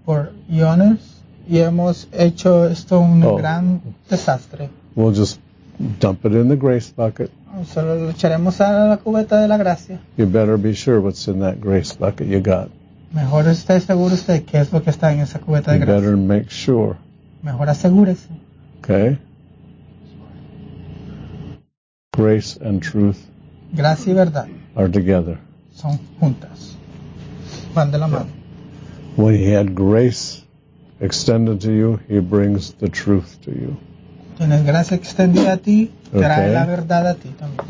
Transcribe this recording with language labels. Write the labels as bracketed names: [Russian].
[Spanish] Por eones y hemos hecho esto un gran desastre. [English] We'll just dump it in the grace bucket. [Spanish] Solo lo echaremos a la cubeta de la gracia. [English] You better be sure what's in that grace bucket you got. [Spanish] Mejor esté seguro usted qué es lo que está en esa cubeta de gracia. [English] You better make sure. [Spanish] Mejor asegúrese. [English] Okay. Grace and truth. [Spanish] Gracia y verdad. [English] Are together. [Spanish] Son juntas. Van de la mano. [English] When he had grace extended to you, he brings the truth to you. [Spanish] Tienes gracia extendida a ti, trae la verdad a ti también.